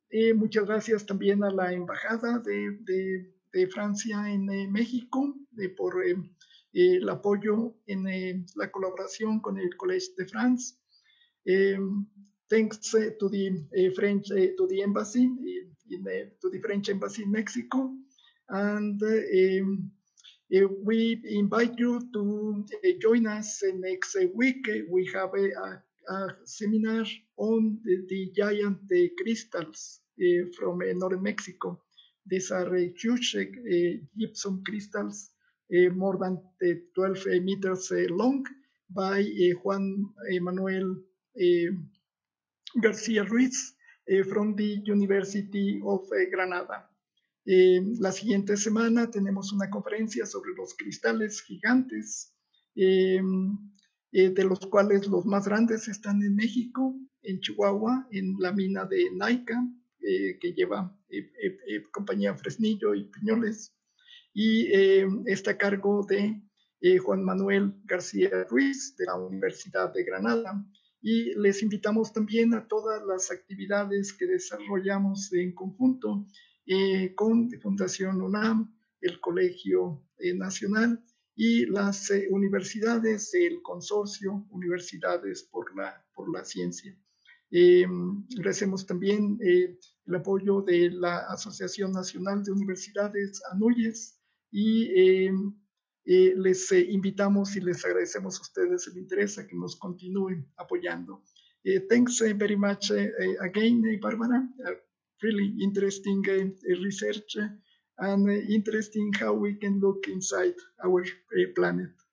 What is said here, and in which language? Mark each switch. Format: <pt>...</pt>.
<es>Muchas gracias también a la Embajada de Francia en México por el apoyo en la colaboración con el Collège de France.</es> <en>Thanks to the French to the embassy in to the French embassy in Mexico, and we invite you to join us next week. We have a seminar on the giant crystals from northern Mexico. These are huge gypsum crystals, more than 12 meters long, by Juan Manuel García Ruiz from the University of Granada.</en> <es>La siguiente semana tenemos una conferencia sobre los cristales gigantes, de los cuales los más grandes están en México, en Chihuahua, en la mina de Naica, que lleva compañía Fresnillo y Piñoles. Y está a cargo de Juan Manuel García Ruiz de la Universidad de Granada. Y les invitamos también a todas las actividades que desarrollamos en conjunto con Fundación UNAM, el Colegio Nacional y las universidades, el consorcio Universidades por la Ciencia. Agradecemos también el apoyo de la Asociación Nacional de Universidades, ANUYES, y les invitamos y les agradecemos a ustedes el interés a que nos continúen apoyando.</es> <en>Thanks very much again, Barbara. Really interesting research and interesting how we can look inside our planet.</en>